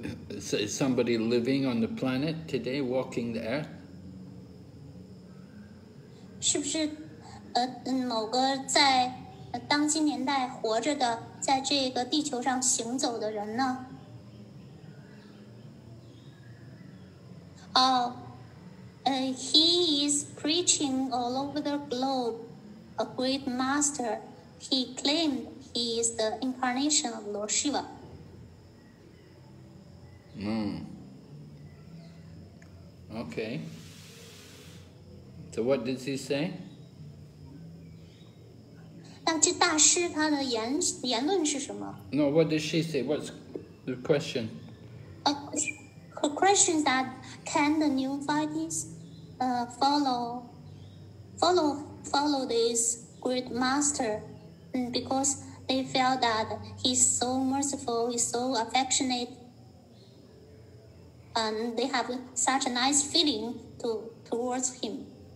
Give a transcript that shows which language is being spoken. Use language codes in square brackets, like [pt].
[en] Is somebody living on the planet today, walking the earth? [zh] 是不是某个在当今年代活着的，在这个地球上行走的人呢？ [en] He is preaching all over the globe, a great master. He claimed he is the incarnation of Lord Shiva. Okay. So what does he say? [zh] 那这大师他的言论是什么？ [en] No, what does she say? What's the question? Her question is that can the new devotees follow this great master? Because they felt that he's so merciful, he's so affectionate, and they have such a nice feeling towards him.